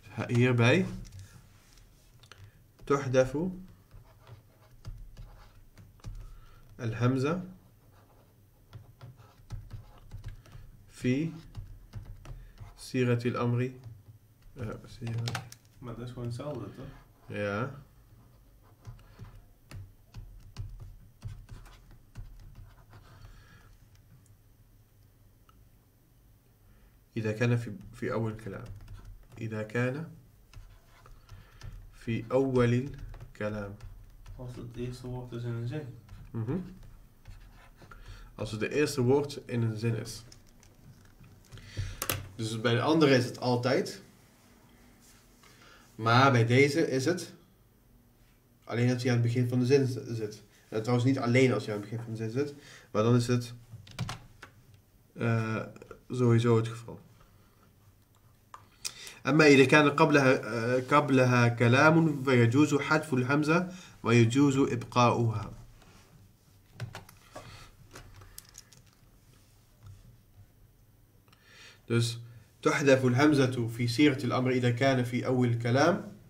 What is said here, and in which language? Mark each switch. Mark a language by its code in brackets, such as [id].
[nl] Hierbij [ar] تحذف الهمزة في سيرة الأمر. [nl] Maar dat is gewoon hetzelfde, toch? Ja. [ar] Ida kana fi awwal kalam. Ida kana fi awwal kalam. [nl] Als het eerste woord is in een zin. Als het de eerste woord in een zin is. Dus bij de andere is het altijd. Maar bij deze is het alleen als je aan het begin van de zin zit. En trouwens niet alleen als je aan het begin van de zin zit. Maar dan is het sowieso het geval. [ar] أما إذا كان قبلها كلام فيجوز حذف الهمزة ويجوز إبقاؤها. [nl] Dus [ar] تحذف الهمزة في صيغة الأمر إذا كان في أول الكلام